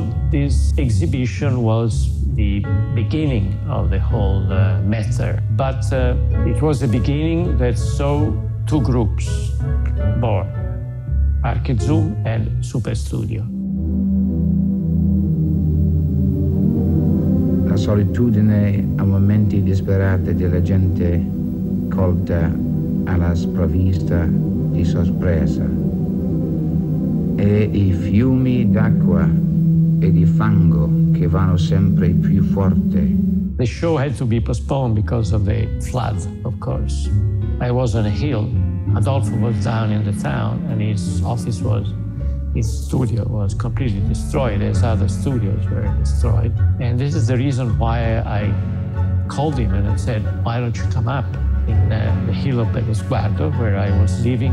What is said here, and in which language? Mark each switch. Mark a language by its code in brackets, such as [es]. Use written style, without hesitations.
[en] This exhibition was the beginning of the whole matter, but it was a beginning that saw two groups born, Archezoom and Superstudio. [it] La solitudine a momenti disperati della gente colta alla sprovvista di sorpresa e i fiumi d'acqua e di fango che vanno sempre più forte. [en] The show had to be postponed because of the flood, of course. I was on a hill. Adolfo was down in the town and his office was, his studio was completely destroyed, as other studios were destroyed. And this is the reason why I called him and I said, why don't you come up in the hill of Bellosguardo where I was living.